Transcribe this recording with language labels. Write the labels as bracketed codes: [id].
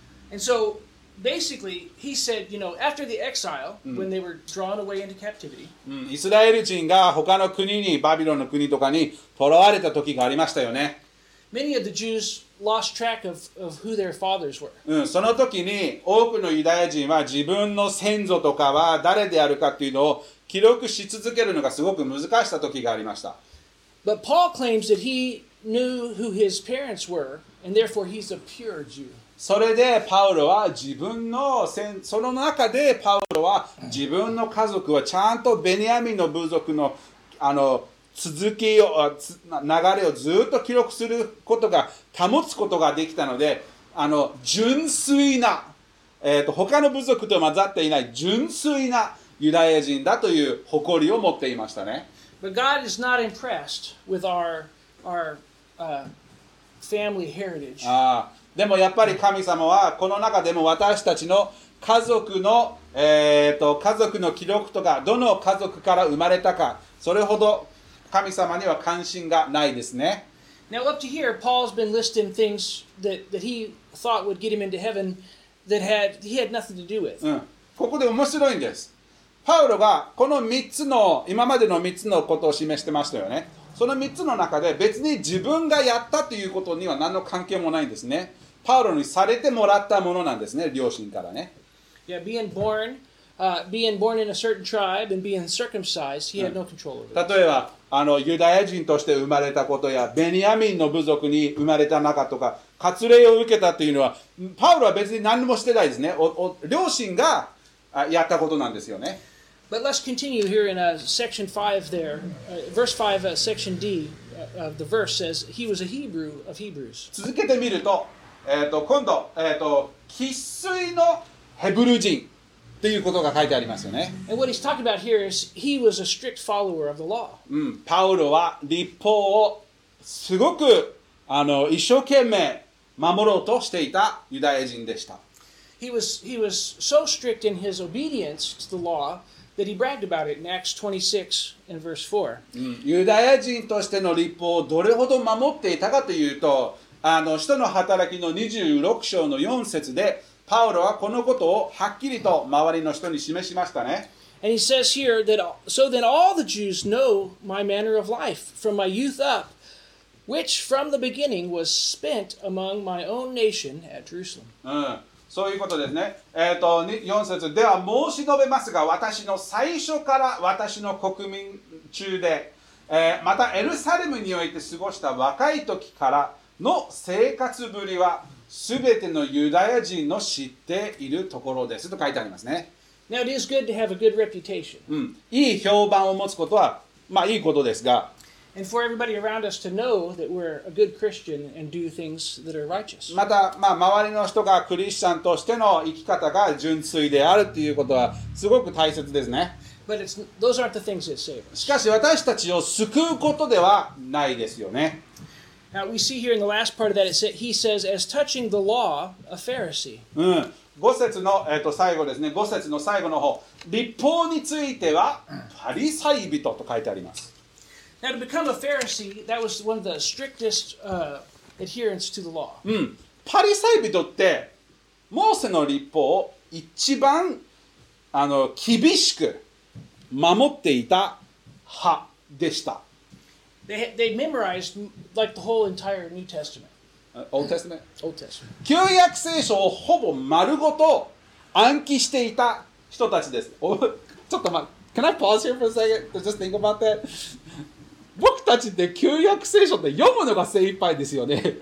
[en] And so,Basically, he said, you know, after the exile, when they were drawn away into captivity, [ja] イスラエル人が他の国に、バビロンの国とかに捕らわれた時がありましたよね。 [en] Many of the Jews lost track of who their fathers were. [ja] その時に多くのユダヤ人は自分の先祖とかは誰であるかっていうのを記録し続けるのがすごく難しかった時がありました。 [en] But Paul claims that he knew who his parents were, and therefore he's a pure Jew. [ja] それでパウロは自分の先その中でパウロは自分の家族はちゃんとベニヤミンの部族のあの続きを流れをずっと記録することが保つことができたので、あの純粋な、他の部族と混ざっていない純粋なユダヤ人だという誇りを持っていましたね。 [en] But God is not impressed with our family heritage. [ja] でもやっぱり神様はこの中でも私たちの家族の、家族の記録とかどの家族から生まれたか、それほど神様には関心がないですね。 [en] Now up to here, Paul's been listing things that he thought would get him into heaven that he had nothing to do with. [ja] ここで面白いんです。パウロがこの3つの今までの3つのことを示してましたよね。その3つの中で別に自分がやったということには何の関係もないんですね。パウロにされてもらったものなんですね、両親からね。 [en] Yeah, being born in a certain tribe and being circumcised, he had no control over it. [ja] 例えばあのユダヤ人として生まれたことやベニヤミンの部族に生まれた中とか割礼を受けたというのはパウロは別に何もしてないですね。両親がやったことなんですよね。 [en] But let's continue here in section 5 there. Verse 5, section D of the verse says, he was a Hebrew of Hebrews. [ja] 続けてみると、今度、生粋のヘブル人っていうことが書いてありますよね。 [en] And what he's talking about here is, he was a strict follower of the law. [ja] パウロは律法をすごく一生懸命守ろうとしていたユダヤ人でした。 [en] He was so strict in his obedience to the law,That he bragged about it in Acts 26 and verse 4. [ja] ユダヤ人としての律法をどれほど守っていたかというと、使徒の働きの26章の4節で、パウロはこのことをはっきりと周りの人に示しましたね。 [en] And he says here that, so then all the Jews know my manner of life from my youth up, which from the beginning was spent among my own nation at Jerusalem. [ja] そういうことですね。 4節では申し述べますが、私の最初から私の国民中で、またエルサレムにおいて過ごした若い時からの生活ぶりは、すべてのユダヤ人の知っているところですと書いてありますね。 [en] Now it is good to have a good reputation. [ja] いい評判を持つことは、まあいいことですが。 [en] And for everybody around us to know that we're a good Christian and do things that are righteous. [ja] また、まあ、周りの人がクリスチャンとしての生き方が純粋であるということはすごく大切ですね。 [en] But those aren't the things that save us. [ja] しかし私たちを救うことではないですよね。 [en] Now we see here in the last part of that, he says, as touching the law, a Pharisee. [ja] 5節の、最後ですね。5節の最後の方。律法については、パリサイ人と書いてあります。 [en] Now to become a Pharisee, that was one of the strictest adherence to the law. [ja] パリサイ人ってモーセの律法を一番厳しく守っていた派でした。 [en] They memorized like the whole entire New Testament. Old Testament? Old Testament. [ja] 旧約聖書をほぼ丸ごと暗記していた人たちです。ちょっと待って、 [en] Can I pause here for a second? Just think about that. [ja] 僕たちって旧約聖書って読むのが精一杯ですよね。